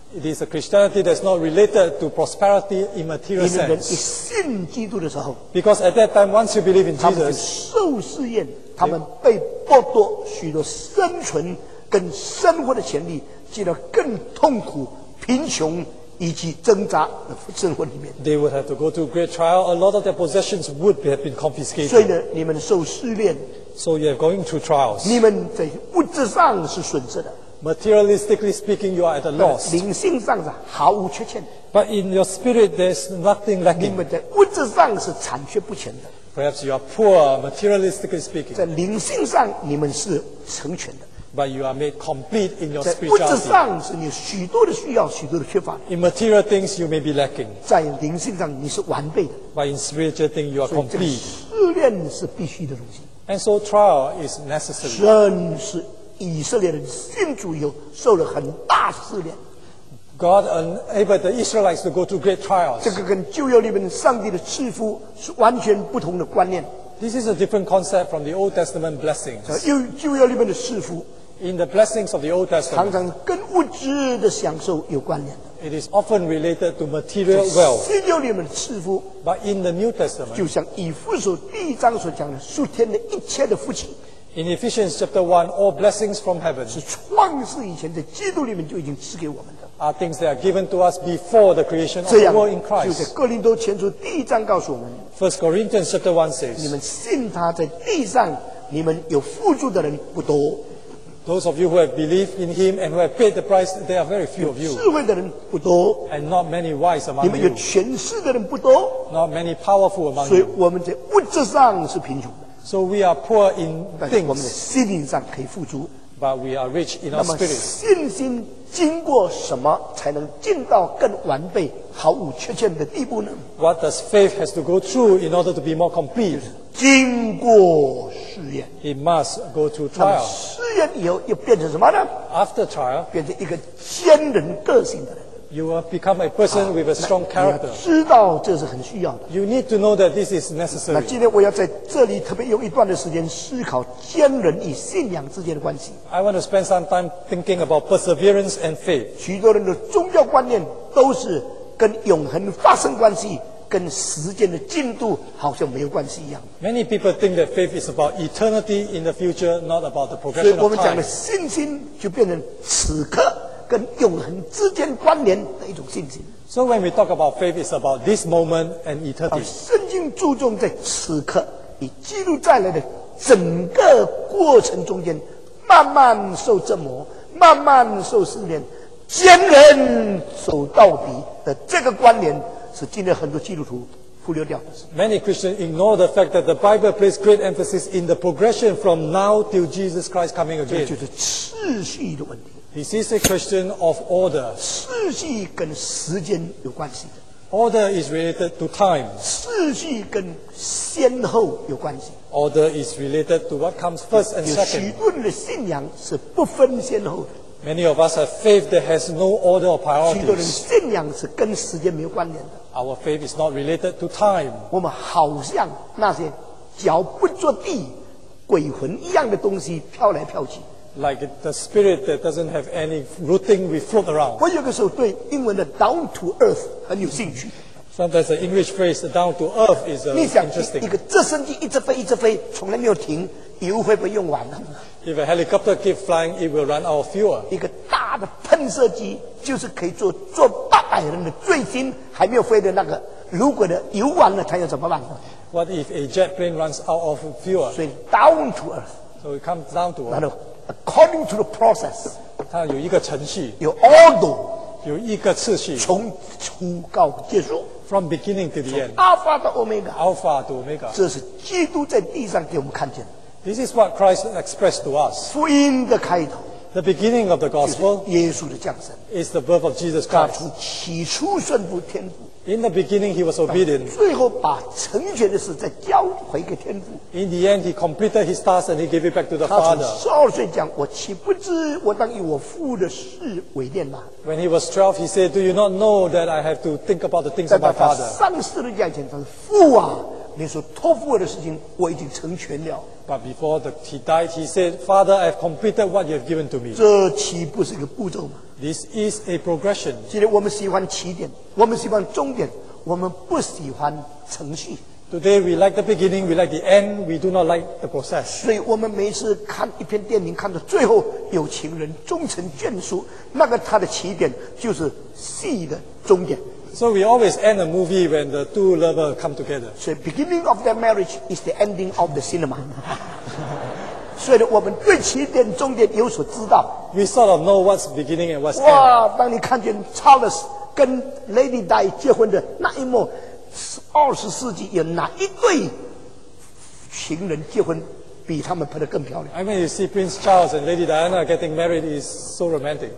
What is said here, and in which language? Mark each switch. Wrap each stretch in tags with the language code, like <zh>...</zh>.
<en>It is a Christianity that's not related to prosperity in material sense.</en> <zh>因为人一信基督的时候，</zh> <en>because at that time, once you believe in Jesus,</en> <zh>他们受试验， 他们被剥夺许多生存跟生活的权利， 进入更痛苦贫穷 以及挣扎的生活里面，</zh> <en>they would have to go through great trial. A lot of their possessions would have been confiscated.</en> <zh>所以呢， 你们受试炼，</zh> <en>so you are going through trials.</en> <zh>你们在物质上是损失的，</zh> <en>materialistically speaking, you are at a loss.</en> <zh>灵性上是毫无缺陷的。</zh> <en>But in your spirit, there's nothing lacking.</en> <zh>你们在物质上是残缺不全的。</zh> <en>Perhaps you are poor, materialistically speaking.</en> <zh>在灵性上你们是成全的。</zh> <en>But you are made complete in your spirituality.</en> <zh>在物质上是你有许多的需要，许多的缺乏。</zh> <en>In material things, you may be lacking.</en> <zh>在灵性上你是完备的。</zh> <en>But in spiritual things, you are complete.</en> <zh>所以这个试炼是必须的东西。</zh> <en>And so trial is necessary.</en> <zh>神是 以色列人信主以后受了很大试炼。</zh> <en>God enabled the Israelites to go through great trials.</en> <zh>这个跟旧约里面上帝的赐福是完全不同的观念。</zh> <en>This is a different concept from the Old Testament blessings.</en> <zh>旧约里面的赐福，</zh> <en>in the blessings of the Old Testament,</en> <zh>常常跟物质的享受有关联的。</zh> <en>It is often related to material wealth.</en> <zh>新约里面的赐福</zh> <en>，But in the New Testament,</en> <zh>就像以弗所第一章所讲的，属天的一切的福气。</zh> <en>In Ephesians chapter 1, all blessings from heaven</en> <zh>是创世以前在基督里面就已经赐给我们的。</zh> <en>Are things that are given to us before the creation of the world in Christ.</en> <zh>这样就在哥林多前书第一章告诉我们。</zh> <en>First Corinthians chapter 1 says,</en> <zh>你们信他在地上，你们有付出的人不多。</zh> <en>Those of you who have believed in him and who have paid the price, there are very few of you.</en> <zh>有智慧的人不多。</zh> <en>And not many wise among you.</en> <zh>你们有权势的人不多。</zh> <en>Not many powerful among you.</en> <zh>所以我们在物质上是贫穷。</zh> <en>So we are poor in things,</en> <zh>我们的心灵上可以富足。</zh> <en>But we are rich in our spirit.</en> <zh>那么信心经过什么才能进到更完备、毫无缺陷的地步呢？</zh> <en>What does faith has to go through in order to be more complete?</en> <zh>经过试验。</zh> <en>It must go through trial.</en> <zh>试验以后又变成什么呢？</zh> <en>After trial,</en> <zh>变成一个坚韧个性的人。</zh> <en>You will become a person with a strong character.</en> <zh>你要知道这是很需要的。</zh> <en>You need to know that this is necessary.</en> <zh>那今天我要在这里特别用一段的时间思考坚韧与信仰之间的关系。</zh> <en>I want to spend some time thinking about perseverance and faith.</en> <zh>许多人的宗教观念都是跟永恒发生关系，跟时间的进度好像没有关系一样。</zh> <en>Many people think that faith is about eternity in the future, not about the progression of time.</en> <zh>所以我们讲的信心就变成此刻跟永恒之间关联的一种信心。</zh> <en>So when we talk about faith, it's about this moment and eternity.</en> <zh>圣经注重在此刻与基督再来的整个过程中间，慢慢受折磨，慢慢受试炼，坚韧走到底的这个关联，是今天很多基督徒忽略掉的。</zh> <en>Many Christians ignore the fact that the Bible places great emphasis in the progression from now till Jesus Christ coming again.</en> <zh>这就是次序的问题。</zh> <en>This is a question of order.</en> <zh>次序跟时间有关系的。</zh> <en>Order is related to time.</en> <zh>次序跟先后有关系。</zh> <en>Order is related to what comes first and second.</en> <zh>有许多的信仰是不分先后的。</zh> <en>Many of us have faith that has no order or priority.</en> <zh>许多人信仰是跟时间没有关联的。</zh> <en>Our faith is not related to time.</en> <zh>我们好像那些脚不着地、鬼魂一样的东西飘来飘去。</zh> <en>Like the spirit that doesn't have any rooting, we float around.</en> <zh>我有个时候对英文的</zh> <en>down to earth</en> <zh>很有兴趣。</zh> <en>Sometimes the English phrase down to earth is interesting.</en> <zh>一个直升机一直飞一直飞，从来没有停，油会不会用完呢？</zh> <en>If a helicopter keeps flying, it will run out of fuel.</en> <zh>一个大的喷射机就是可以做800人的最新还没有飞的那个，如果的油完了，它要怎么办？</zh> <en>What if a jet plane runs out of fuel? 所以 down to earth. So it comes down to earth. According to the process,</en> <zh>它有一个程序，有 order, 有一个次序，从初到结束</zh> <en>，from beginning to the end, Alpha to Omega, Alpha to Omega,</en> <zh>这是基督在地上给我们看见的。</zh> <en>This is what Christ expressed to us.</en> <zh>福音的开头</zh> <en>，the beginning of the gospel,</en> <zh>耶稣的降生</zh> <en>，is the birth of Jesus Christ.</en> <zh>他从起初顺服天父。</zh> <en>In the beginning, he was obedient.</en> <zh>最后把成全的事再交回给天父。</zh> <en>In the end, he completed his task and he gave it back to the Father.</en> <zh>他从12岁讲，我岂不知我当以我父的事为念吗？</zh> <en>When he was 12, he said, "Do you not know that I have to think about the things of my father?"</en> <zh>上十字架前，他说：“父啊，你所托付我的事情，我已经成全了。”</zh> <en>But before he died, he said, "Father, I have completed what you have given to me."</en> <zh>这岂不是一个步骤吗？</zh> <en>This is a progression.</en> <zh>今天我们喜欢起点，我们喜欢终点，我们不喜欢程序。</zh> <en>Today we like the beginning, we like the end, we do not like the process.</en> <zh>所以我们每次看一篇电影，看到最后有情人终成眷属，那个它的起点就是戏的终点。</zh> <en>So we always end a movie when the two lovers come together. So beginning of their marriage is the ending of the cinema.</en> <zh>所以我们对起点终点有所知道。</zh> <en>We sort of know what's beginning and what's end.</en> <zh>哇，当你看见 Charles 跟 Lady Di 结婚的那一幕，20世纪有哪一对情人结婚比他们拍得更漂亮</zh> <en>？I mean, you see Prince Charles and Lady Diana getting married is so romantic.</en>